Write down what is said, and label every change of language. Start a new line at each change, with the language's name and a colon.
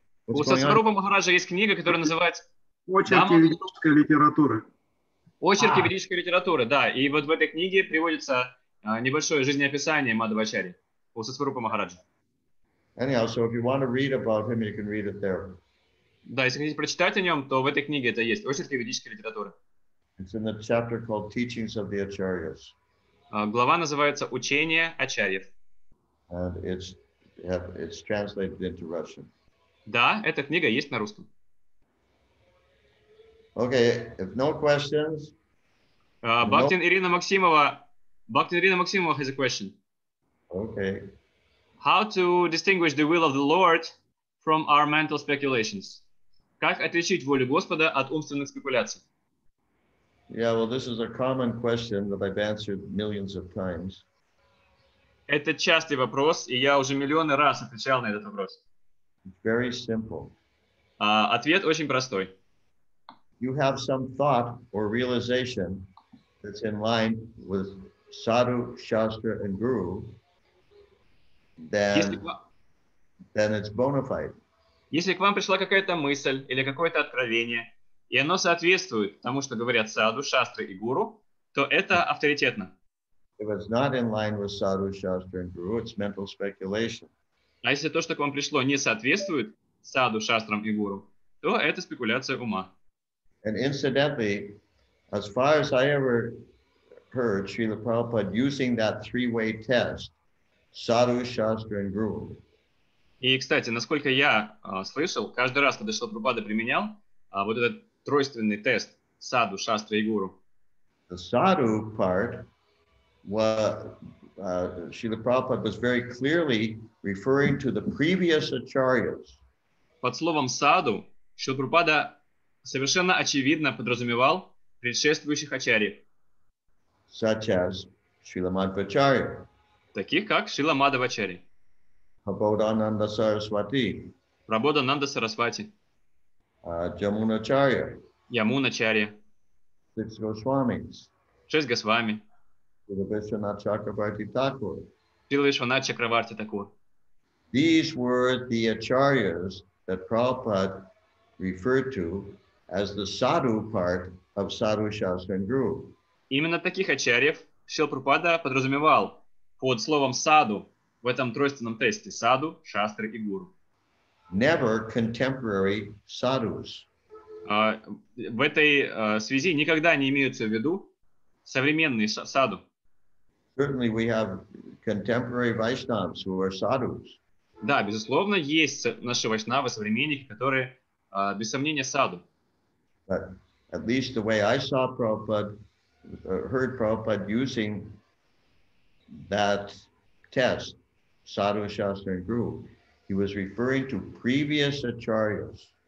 Russian: У Сатсварупа Махараджа есть книга, которая называется «Очерки ведической литературы». Очерки ведической литературы, да. И вот в этой книге приводится небольшое жизнеописание Мадхвачарьи у Сатсварупа Махараджа.
English: Anyhow, so if you want to read about him, you can read it there.
Russian: Да, если хотите прочитать о нем, то в этой книге это есть. Очерки ведической литературы.
English: It's in the chapter called Teachings of the Acharyas.
Russian: Глава называется «Учение Ачарьев».
English: And it's translated into Russian.
Russian: Да, эта книга есть на русском.
English: Okay, if no questions. Бхактин Ирина Максимова has a question. Okay. How to distinguish the will of the Lord from our mental speculations?
Russian: Как отличить волю Господа от умственных спекуляций?
English: Yeah, well, this is a common question that I've answered millions of times.
Russian: Это частый вопрос, и я уже миллионы раз отвечал на этот вопрос.
English: Very simple.
Russian: Ответ очень простой.
English: You have some thought or realization that's in line with Sadhu, Shastra, and Guru. Then it's bona fide.
Russian: Если к вам пришла какая-то мысль или какое-то откровение, и оно соответствует тому, что говорят саду, шастры и гуру, то это авторитетно.
English: It was not in line with Sadhu Shastra and Guru. It's mental speculation.
Russian: А если то, что к вам пришло, не соответствует Саду, Шастрам и Гуру, то это спекуляция ума.
English: And incidentally, as far as I ever heard Srila Prabhupada using that three-way test, Sadhu, Shastra and Guru.
Russian: И, кстати, насколько я слышал, каждый раз, когда Шрила Прабхупада применял вот этот тройственный тест Саду, Шастра и Гуру.
English: The Sadhu part was, Srila Prabhupada was very clearly referring to the previous acharyas.
Russian: Под словом Саду Шрила Прабхупада совершенно очевидно подразумевал предшествующих ачарьев.
English: Such as Srila Madhvacharya.
Russian: Таких как Шрила Мадхвачарья. Прабодхананда Сарасвати. Прабодхананда Сарасвати. Ямуначарья. Ямуначарья.
English: Six Госвамис.
Russian: Шесть Госвами. Шрила Вишванатха Чакраварти Такур. Шрила Вишванатха Чакраварти Такур.
English: These were the acharyas that Prabhupada referred to as the sadhu part of Sadhu Shastra and Guru.
Russian: Именно таких ачарьев Шрила Прабхупада подразумевал под словом саду в этом тройственном тесте саду, шастры и гуру.
English: Never contemporary sadhus.
Russian: В этой связи никогда не имеются в виду современные саду.
English: Certainly we have contemporary Vaishnavas who are sadhus.
Russian: Да, безусловно, есть наши вайшнавы, современники, которые без сомнения саду.
English: But at least the way I saw Prabhupada, heard Prabhupada using that test, Sadhu, Shastra, and Guru, he was referring to previous acharyas.